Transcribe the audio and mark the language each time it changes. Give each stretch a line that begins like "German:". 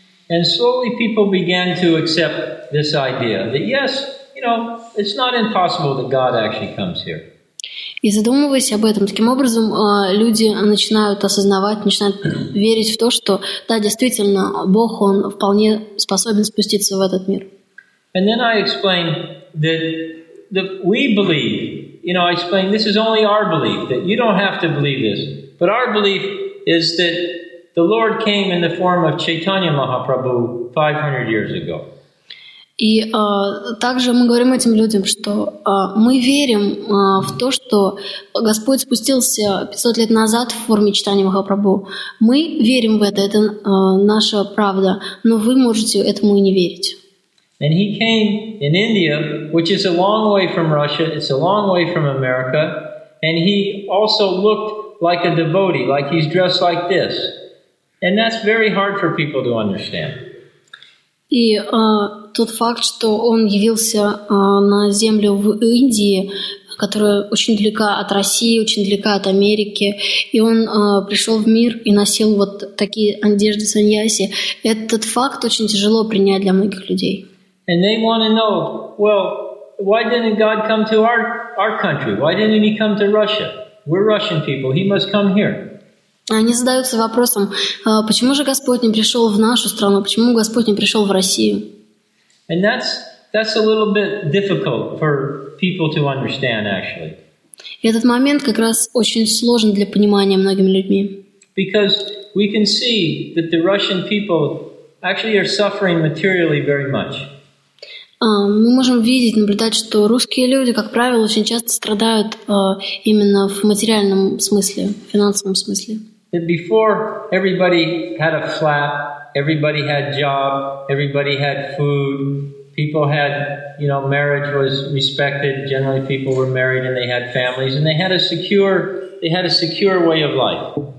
English: And slowly people began to accept this idea that, yes, you know, it's not impossible that God actually comes here.
Russian: И задумываясь об этом, таким образом люди начинают осознавать, начинают верить в то, что да, действительно, Бог, Он вполне способен спуститься в этот мир.
English: And then I explain that we believe, you know, I explain this is only our belief, that you don't have to believe this, but our belief is that the Lord came in the form of Chaitanya Mahaprabhu 500 years ago.
Russian: И также мы говорим этим людям, что мы верим в то, что Господь спустился 500 лет назад в форме читания Махапрабху. Мы верим в это наша правда, но вы можете этому и не верить.
English: And he came in India, which is a long way from Russia, it's a long way from America, and he also looked like a devotee, like he's dressed like this. And that's very hard for people to understand.
Russian: И тот факт, что он явился на землю в Индии, которая очень далека от России, очень далека от Америки, и он пришел в мир и носил вот такие одежды саньяси, этот факт очень тяжело принять для многих людей.
English: And they want to know, well, why didn't God come to our country? Why didn't he come to Russia? We're Russian people, he must come here.
Russian: Они задаются вопросом, почему же Господь не пришел в нашу страну, почему Господь не пришел в Россию?
English: And that's a little bit difficult for people to understand, actually.
Russian: И этот момент как раз очень сложен для понимания многими людьми.
English: Because we can see that the Russian people actually are suffering materially very much.
Russian: Мы можем видеть, наблюдать, что русские люди, как правило, очень часто страдают именно в материальном смысле, в финансовом смысле.
English: That before everybody had a flat, everybody had job, everybody had food, people had, you know, marriage was respected, generally people were married and they had families, and they had a secure way of life.